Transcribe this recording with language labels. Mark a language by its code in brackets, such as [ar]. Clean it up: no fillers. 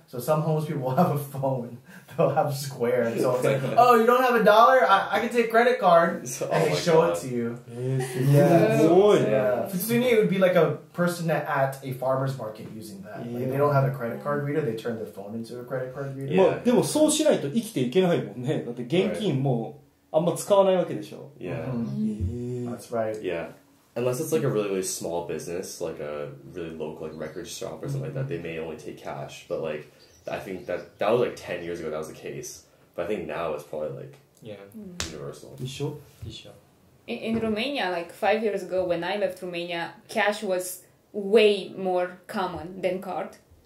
[en] So some homeless people will have a phone, they'll have Square, and so it's like, oh, you don't have a dollar? I can take credit card, and they show it to you. Yeah. It would be like a person at a farmer's market using that. Like, they don't have a credit card reader, they turn their phone into a credit card reader. [ja] まあ、でもそうしないと生きていけないもんね。だって現金もあんま使わないわけでしょ。 [en] That's right. Yeah. Unless it's like a really, really small business, like a really local like record shop or something like that, they may only take cash. But like, I think that was like 10 years ago that was the case. But I think now it's probably like universal. In Romania, like 5 years ago when I left Romania, cash was way more common than card.